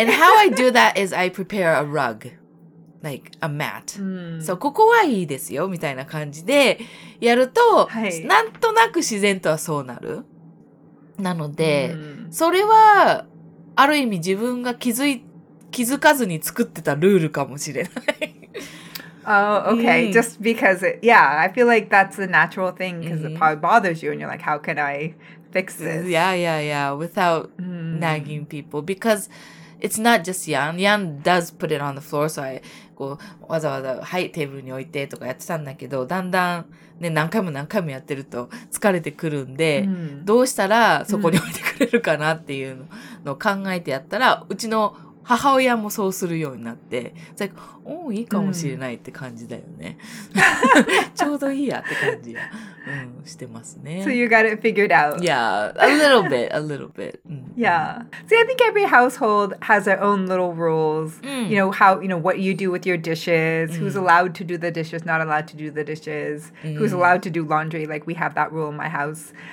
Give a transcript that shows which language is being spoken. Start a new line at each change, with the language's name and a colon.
English: And how I do that is I prepare a rug, like a mat.
Japanese: So ここはいいですよみたいな感じでやると、なんとなく自然とはそうなる。なので、それはある意味自分が気づかずに作ってたルールかもしれない。
English: Oh, okay. Just because, yeah, I feel like that's a natural thing because it probably bothers you and you're like, how can I fix this? Yeah. Without nagging people. Because it's not just Yan. Yan does put it on the floor.
Japanese: So I, こう、わざわざ、はい、テーブルに置いてとかやってたんだけど、だんだん、ね、何回もやってると疲れてくるんで、どうしたらそこに置いてくれるかなっていうのを考えてやったら、うちの母親もそうするようになって、
English: It's like, oh,
Japanese: いいかもしれないって感じだよね。ちょうどいいやって感じや、してますね。
English: So you got it figured out. Yeah, a little bit. Yeah. See, I think every household has their own little rules. You know, how, you know, what you do with your dishes, who's allowed to do the dishes, not allowed to do the dishes, who's allowed to do laundry, like we have that rule in my house.